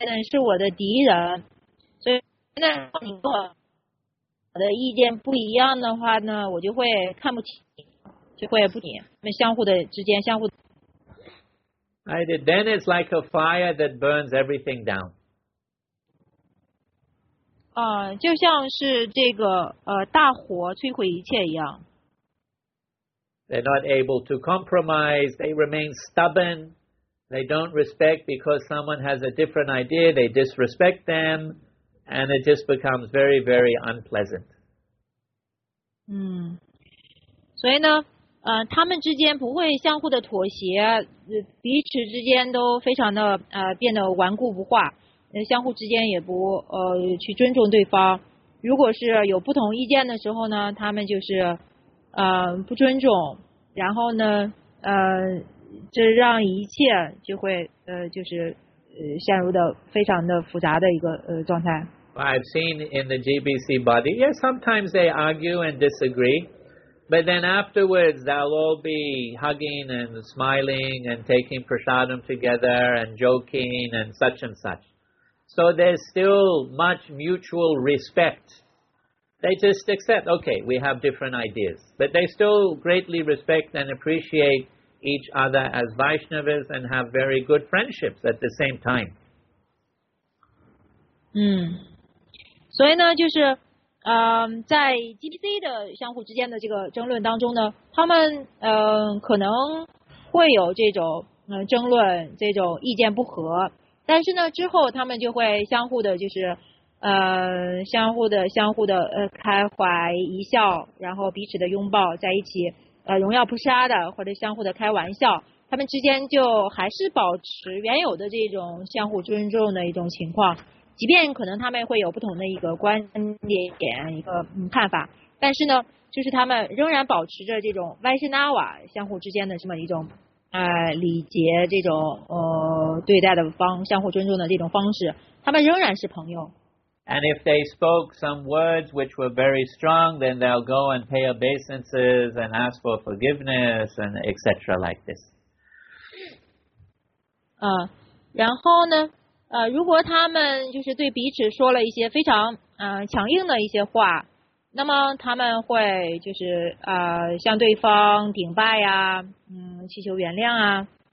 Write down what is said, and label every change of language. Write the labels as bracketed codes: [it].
[zh] 是我的敌人，所以现在如果你跟我的意见不一样的话呢，我就会看不起你，就会不理你们相互的之间相互的。 [en] I did. Then it's like a fire that burns everything down. [zh] 就像是这个大火摧毁一切一样。 [en] They're not able to compromise. They remain stubborn. They don't respect because someone has a different idea. They disrespect them, and it just becomes very, very unpleasant. [zh] 所以呢？他们之间不会相互的妥协，彼此之间都非常的变得顽固不化，相互之间也不去尊重对方。如果是有不同意见的时候呢，他们就是不尊重，然后呢这让一切就会就是陷入的非常的复杂的一个状态。 [en] I've seen in the GBC body, yes, sometimes they argue and disagree. But then afterwards, they'll all be hugging and smiling and taking prasadam together and joking and such and such. So there's still much mutual respect. They just accept, okay, we have different ideas. But they still greatly respect and appreciate each other as Vaishnavas and have very good friendships at the same time. [zh] 所以呢，就是在 GBC 的相互之间的这个争论当中呢，他们可能会有这种争论，这种意见不合，但是呢之后他们就会相互的，就是相互的开怀一笑，然后彼此的拥抱在一起，荣耀不杀的，或者相互的开玩笑，他们之间就还是保持原有的这种相互尊重的一种情况。即便可能他们会有不同的一个观点一个看法，但是呢就是他们仍然保持着这种 Vaishnava 相互之间的这么一种礼节，这种对待的相互尊重的这种方式，他们仍然是朋友。 [en] And if they spoke some words which were very strong, then they'll go and pay obeisances and ask for forgiveness and etc. like this. [zh] 然后呢如果他们就是对彼此说了一些非常强硬的一些话，那么他们会就是向对方顶拜呀，祈求原谅啊。